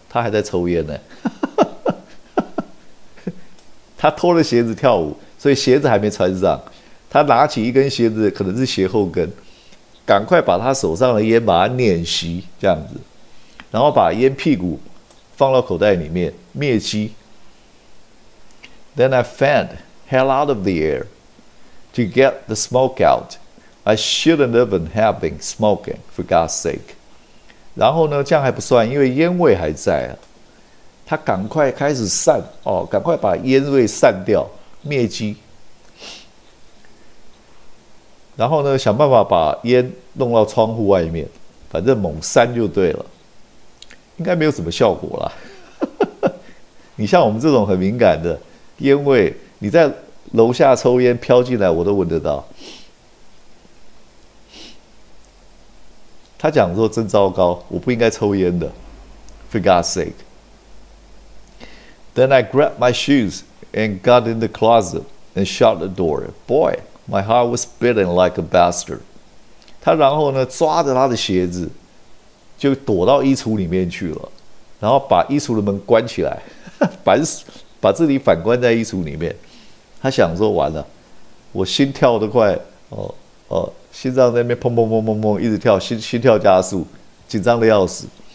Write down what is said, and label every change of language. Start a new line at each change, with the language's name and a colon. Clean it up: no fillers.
Chinese: 他还在抽烟呢，他脱了鞋子跳舞，所以鞋子还没穿上。他拿起一根鞋子，可能是鞋后跟，赶快把他手上的烟把它捻熄，这样子，然后把烟屁股放到口袋里面灭机。
English: Then I fanned hell out of the air to get the smoke out. I shouldn't even have been smoking, for God's sake.
Chinese: 然后呢，这样还不算，因为烟味还在啊。他赶快开始散，赶快把烟味散掉，灭机。然后呢，想办法把烟弄到窗户外面，反正猛扇就对了。应该没有什么效果啦。你像我们这种很敏感的烟味，你在楼下抽烟飘进来，我都闻得到。他讲说真糟糕，我不应该抽烟的 ，
English: For God's sake. Then I grabbed my shoes and got in the closet and shut the door. Boy, my heart was beating like a bastard.
Chinese: 他然后呢抓着他的鞋子，就躲到衣橱里面去了，然后把衣橱的门关起来，把自己反关在衣橱里面。他想说完了，我心跳都快心脏在那边砰砰砰砰砰一直跳，心跳加速，紧张的要死。